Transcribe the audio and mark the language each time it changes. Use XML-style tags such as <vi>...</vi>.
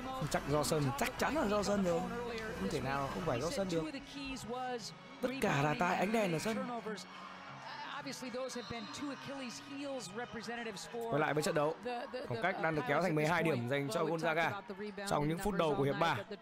<vi>Chắc do sân, chắc chắn là do sân rồi. Không thể nào không phải do sân được. Tất cả là tại ánh đèn ở sân.</vi> <en>Obviously, those have been two Achilles heels representatives for.</en> <vi>Quay lại với trận đấu. Khoảng cách đang được kéo thành 12 điểm dành cho Gonzaga trong những phút đầu của hiệp 3.</vi>